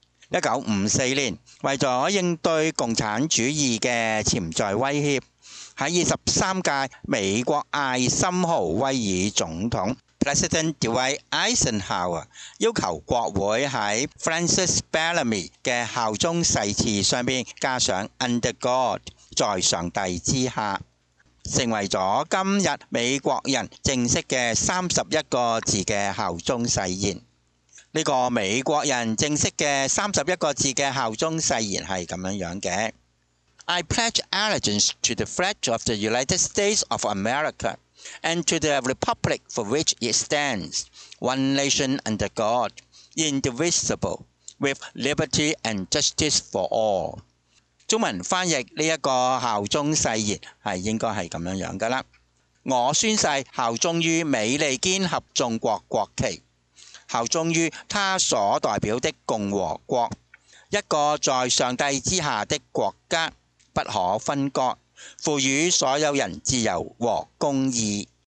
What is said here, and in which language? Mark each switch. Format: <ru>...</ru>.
<zh>1954年为了应对共产主义的潜在威胁，在23届美国艾森豪威尔总统President Dwight Eisenhower 要求国会在 Francis Bellamy 的效忠誓词上面加上</zh> <en>Under God</en> <zh>在上帝之下，成为了今日美国人正式的31个字的效忠誓言。这个美国人正式的31个字的效忠誓言是这样的。</zh> <en>I pledge allegiance to the flag of the United States of America and to the republic for which it stands, one nation under God, indivisible, with liberty and justice for all.</en> <zh>中文翻译这个效忠誓言是应该是这样的。我宣誓效忠于美利坚合众国国旗，效忠于他所代表的共和国，一个在上帝之下的国家，不可分割，赋予所有人自由和公义。</zh>